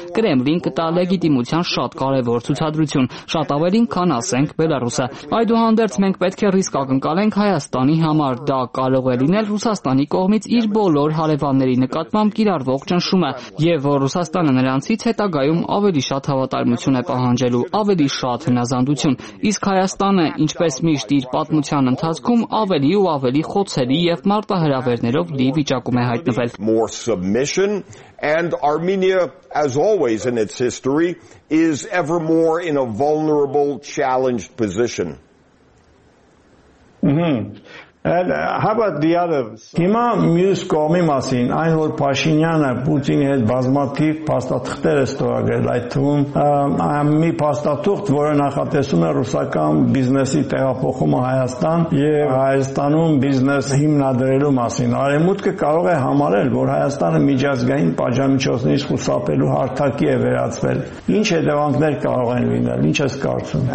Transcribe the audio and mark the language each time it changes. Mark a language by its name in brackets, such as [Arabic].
[Armenian] Կրեմլին կտա լեգիտիմության շատ կարևոր ցուցադրություն, շատ ավելին, քան ասենք Բելարուսը։ Այդուհանդերձ մենք պետք է ռիսկ ակնկալենք Հայաստանի համար, դա կարող է լինել Ռուսաստանի կողմից իր բոլոր հարևանների նկատմամբ կիրառվող ճնշումը, եւ որ Ռուսաստանը նրանցից հետագայում ավելի շատ հավատարմություն է պահանջելու, ավելի շատ հնազանդություն, իսկ Հայաստանը, ինչպես միշտ իր պատմության ընթացքում, ավելի ու ավելի խոցելի եւ մարտահրավերներով լի վիճակում է հայտնվել։ [English] And Armenia, as always in its history, is ever more in a vulnerable, challenged position. And how about the other? [Armenian] Հիմա մյուս կողմի մասին, այն որ Փաշինյանը Պուտինի հետ բազմաթիվ փաստաթղթեր է ստորագրել, այդ թվում մի փաստաթուղթ, որը նախատեսում է ռուսական բիզնեսի տեղափոխումը Հայաստան եւ Հայաստանում բիզնես հիմնադրելու մասին, արևմուտքը կարող է համարել, որ Հայաստանը միջազգային պատժամիջոցներից խուսափելու հարթակի է վերածվել։ Ինչ հետևանքներ կարող են լինել, ինչ ես կարծում։